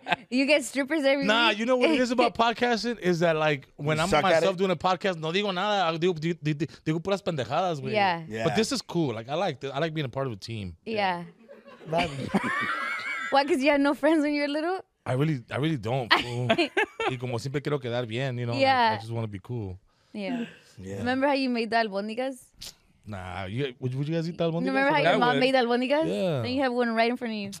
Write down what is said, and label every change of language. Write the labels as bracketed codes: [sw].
[en] You get strippers every week. Nah, you know what it is about podcasting? Is that like when I'm myself doing a podcast, [es] no digo nada. Digo puras pendejadas, güey. [en] Yeah. But this is cool. Like I like being a part of a team. Yeah. Why? Because you had no friends when you were little? I really don't. [es] Y como siempre quiero quedar bien, [en] you know? Yeah. I just want to be cool. Yeah. Remember how you made the albóndigas? Nah. Would you guys eat the albóndigas? Remember how your mom made the albóndigas? Yeah. Then you have one right in front of you.